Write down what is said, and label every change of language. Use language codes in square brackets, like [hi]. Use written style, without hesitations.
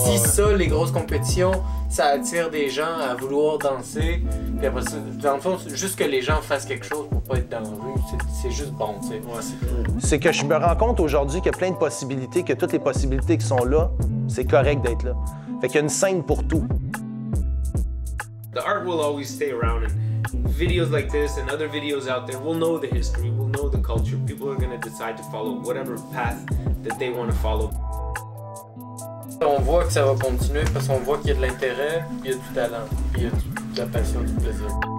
[fr] Puis si ça, les grosses compétitions, ça attire des gens à vouloir danser, puis après ça, dans le fond, juste que les gens fassent quelque chose pour pas être dans la rue, c'est juste bon, tu sais. Ouais, c'est cool. C'est que je me rends compte aujourd'hui qu'il y a plein de possibilités, que toutes les possibilités qui sont là, c'est correct d'être là. Fait qu'il y a une scène pour tout. [en] The art will always stay around, and videos like this and other videos out there will know the history, will know the culture. People are going to decide to follow whatever path that they want to follow. [fr] On voit que ça va continuer parce qu'on voit qu'il y a de l'intérêt, il y a du talent, il y a de la passion, du plaisir.